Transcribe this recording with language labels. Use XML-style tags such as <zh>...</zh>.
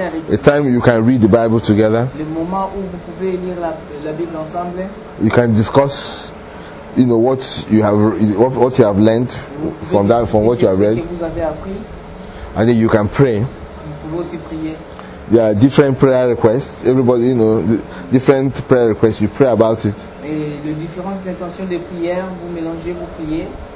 <en>A time you can read the Bible together.</en> <fr>Le moment où vous pouvez lire la Bible ensemble.</fr> <en>You can discuss, you know, what you have learned from what you have read.</en> <fr>Vous avez appris.</fr> <en>And then you can pray.</en> <fr>Vous pouvez aussi prier.</fr> <en>There are different prayer requests. Everybody, you know, different prayer requests. You pray about it.</en> <fr>Et les différentes intentions de prière, vous mélangez, vous priez.</fr>